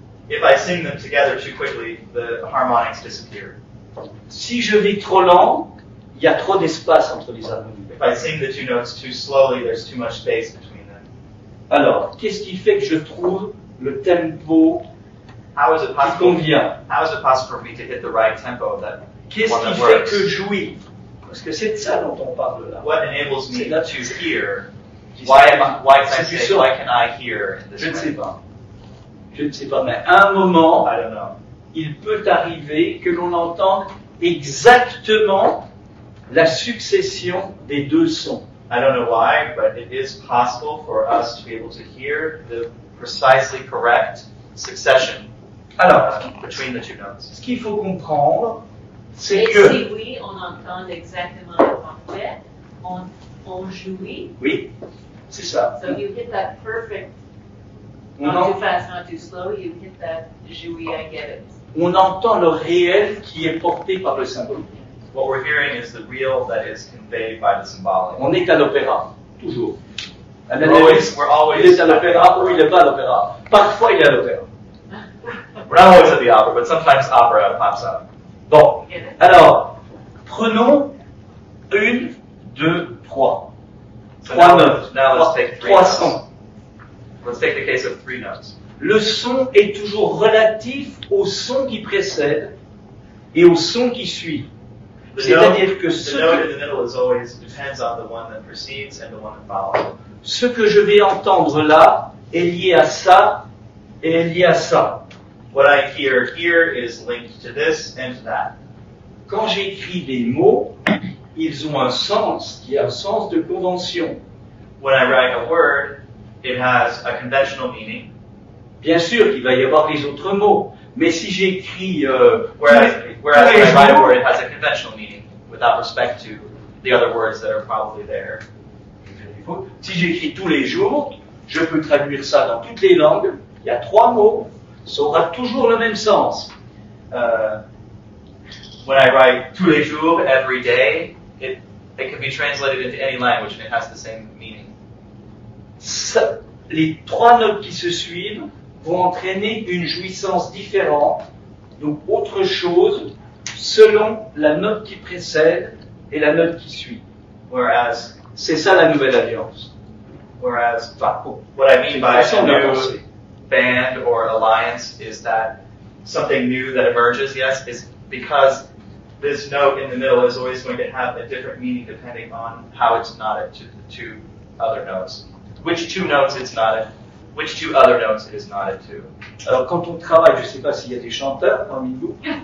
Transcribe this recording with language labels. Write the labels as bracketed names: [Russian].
[English] If I sing them together too quickly, the harmonics disappear. [French] Si je vais trop lent, il y a trop d'espace entre les harmoniques. [English] If I sing the two notes too slowly, there's too much space between them. [French] Alors, qu'est-ce qui fait que je trouve le tempo [English] how is it possible, [French] qui convient? [English] How is it possible for me to hit the right tempo of that? [French] Qu'est-ce qui fait que j'ouïe? Parce que c'est de ça dont on parle là. [English] What enables me to hear? Why can I say, why can I hear? [French] Je ne sais pas. Je ne sais pas, mais à un moment, [English] I don't know. [French] Il peut arriver que l'on entende exactement la succession des deux sons. [English] I don't know why, but it is possible for us to be able to hear the precisely correct succession. [French] Alors, [English] between the two notes. [French] Ce qu'il faut comprendre, c'est et que si oui, on entend exactement le parfait, on jouit. Oui, c'est ça. [English] So you hit that perfect, not too fast, not too slow, you hit that jouit, I get it. [French] On entend le réel qui est porté par le symbole. [English] What we're hearing is the real that is conveyed by the symbolic. [French] On est à l'opéra, toujours. [English] We're always [French] il est à l'opéra ou il n'est pas à l'opéra. Parfois il est à l'opéra. [English] We're not always at the opera, but sometimes opera pops up. [French] Bon, alors, prenons une, deux, trois. Trois notes. [English] Now let's take [French] trois sons. [English] Let's take the case of three notes. [French] Le son est toujours relatif au son qui précède et au son qui suit. C'est-à-dire que ce que je vais entendre là est lié à ça et est lié à ça. [English] What I hear here is linked to this and to that. [French] Quand j'écris des mots, ils ont un sens qui a un sens de convention. [English] When I write a word, it has a conventional meaning. [French] Bien sûr qu'il va y avoir les autres mots, mais si j'écris [English] whereas when I write a word, it has a conventional meaning without respect to the other words that are probably there. [French] Si j'écris tous les jours, je peux traduire ça dans toutes les langues. Il y a trois mots, ça aura toujours le même sens. [English] When I write [French] tous les jours, [English] every day, it can be translated into any language and it has the same meaning. [French] Ça, les trois notes qui se suivent vont entraîner une jouissance différente, donc autre chose, selon la note qui précède et la note qui suit. [English] Whereas, [French] c'est ça la nouvelle alliance. [English] Whereas, what I mean by a new band or alliance is that something new that emerges, yes, is because this note in the middle is always going to have a different meaning depending on how it's knotted to the two other notes. Which two notes it's knotted. Which two other notes it is knotted to? [French] Alors, quand on travaille, je ne sais pas s'il y a des chanteurs parmi vous.